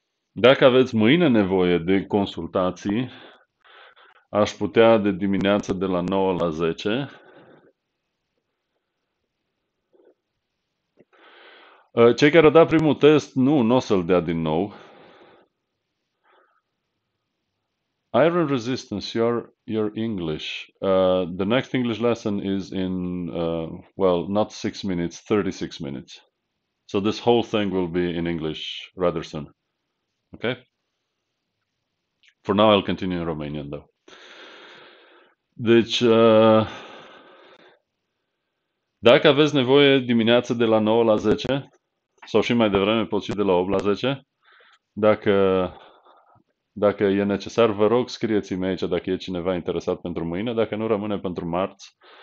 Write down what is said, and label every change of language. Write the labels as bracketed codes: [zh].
[ro] Dacă aveți mâine nevoie de consultații, aș putea de dimineață de la 9 la 10. Cei care au dat primul test, nu o să-l dea din nou. [en] Iron resistance, your English. The next English lesson is in, well, not 6 minutes, 36 minutes. So this whole thing will be in English rather soon. Okay? For now, I'll continue in Romanian, though. [ro] Deci, dacă aveți nevoie dimineață de la 9 la 10, sau și mai devreme, poți și de la 8 la 10, dacă e necesar, vă rog, scrieți-mi aici dacă e cineva interesat pentru mâine, dacă nu rămâne pentru marți.